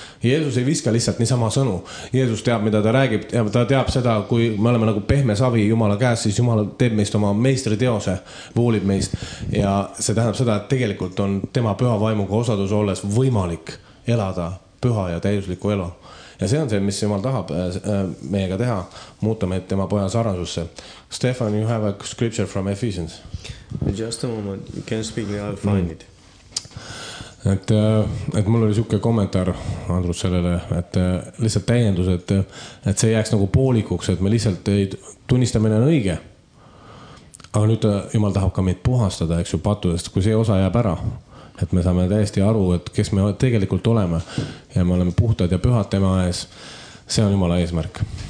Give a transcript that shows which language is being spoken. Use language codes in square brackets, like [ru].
[et] Jeesus ei viska lihtsalt niisama sõnu. Jeesus teab, mida ta räägib ja ta teab seda, kui me oleme nagu pehme savi Jumala käes, siis Jumala teeb meist oma meistri teose, voolib meist ja see tähendab seda, et tegelikult on tema püha vaimuga osadus olles võimalik elada püha ja täiusliku elu. Ja see on see, mis Jumal tahab meiega teha, muuta meid tema poja sarnasusse. [en] Stefan, you have a scripture from Ephesians. Just a moment, you can speak, I'll find it. [et] Et mul oli selline kommentaar Andrus sellele, et lihtsalt täiendus, et see jääks nagu poolikuks, et me lihtsalt ei tunnista meile õige. Aga nüüd Jumal tahab ka meid puhastada, eks ju, patudest, kui see osa jääb ära. Et me saame täiesti aru, et kes me tegelikult oleme ja me oleme puhtad ja pühad tema ees, see on Jumala eesmärk.